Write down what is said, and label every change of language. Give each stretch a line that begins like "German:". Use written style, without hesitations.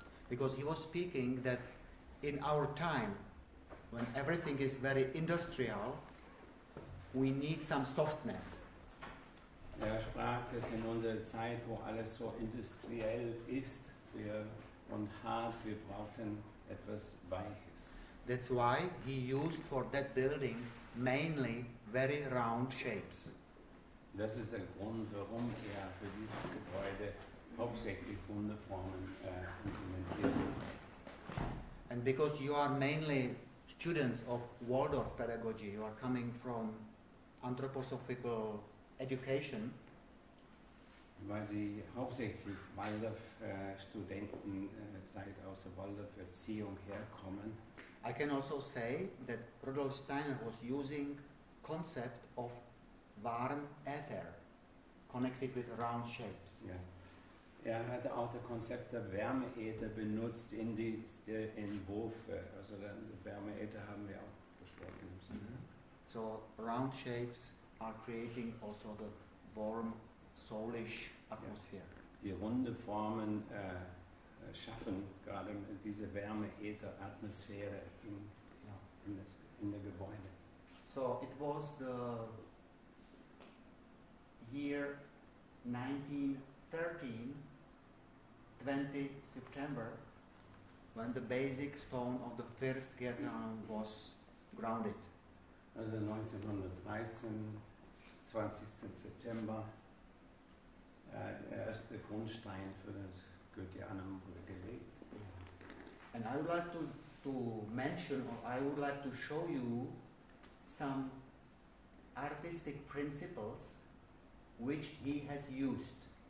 English: Because he was speaking that in our time, when everything is very industrial, we need some softness.
German: Er sprach, dass in unserer Zeit, wo alles so industriell ist und hart, wir brauchten etwas Weiches.
English: That's why he used for that building mainly very round shapes.
German: Das ist der Grund, warum er für dieses Gebäude hauptsächlich runde Formen implementiert hat.
English: And because you are mainly students of Waldorf pedagogy who are coming from anthroposophical education.
German: Weil sie hauptsächlich Waldorf-Studenten seit aus der Waldorf-Erziehung herkommen.
English: I can also say that Rudolf Steiner was using concept of warm ether connected with round shapes. Yeah.
German: Er hatte auch das Konzept der Wärmeäther benutzt in die Entwürfe. Also der Wärmeäther haben wir auch besprochen. Mm-hmm.
English: So round shapes are creating also the warm soulish atmosphere.
German: Ja. Die runde Formen schaffen gerade diese Wärmeäther-Atmosphäre in der Gebäude.
English: So it was the year 1913, 20 September, when the basic stone of the first ghetto was grounded.
German: Also 1913, 20. September, der erste Grundstein für das Goetheanum wurde gelegt.
English: And I would like to mention, or I would like to show you some artistic principles which he has used.